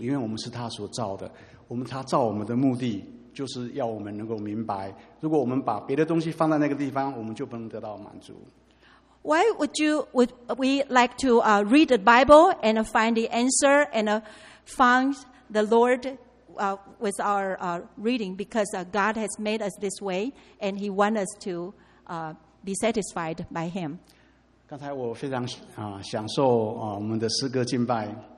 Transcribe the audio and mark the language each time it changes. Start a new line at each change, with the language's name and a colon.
Chinese: 因为我们是他所造的，他造我们的目的就是要我们能够明白，如果我们把别的东西放在那个地方，我们就不能得到满足。
English: Why would we like to read the Bible and find the answer and find the Lord with our reading? Because God has made us this way and He wants us to be satisfied by Him.
Chinese: 刚才我非常享受我们的诗歌敬拜。